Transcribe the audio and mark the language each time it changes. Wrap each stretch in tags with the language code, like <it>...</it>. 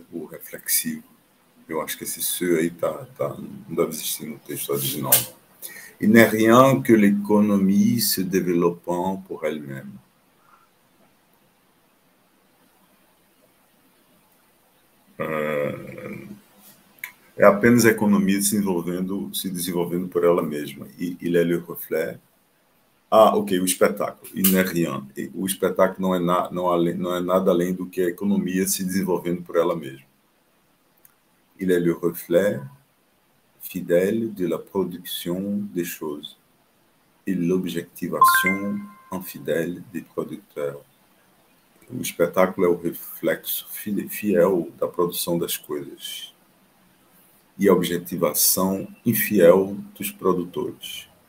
<pt>reflexivo. Eu acho que esse seu aí não deve existir no texto original.</pt> <fr>Il n'est rien que l'économie se développant pour elle-même.</fr> <pt>É apenas a economia se desenvolvendo por ela mesma.</pt> <fr>Il est le reflet. Ah, ok,</fr> <pt>o espetáculo.</pt> <fr>Il n'est rien.</fr> <pt>O espetáculo não é nada além do que a economia se desenvolvendo por ela mesma.</pt> <fr>Il est le reflet fidèle de la production des choses et l'objectivation infidèle des producteurs.</fr> <pt>O espetáculo é o reflexo fiel da produção das coisas e a objetivação infiel dos produtores.</pt>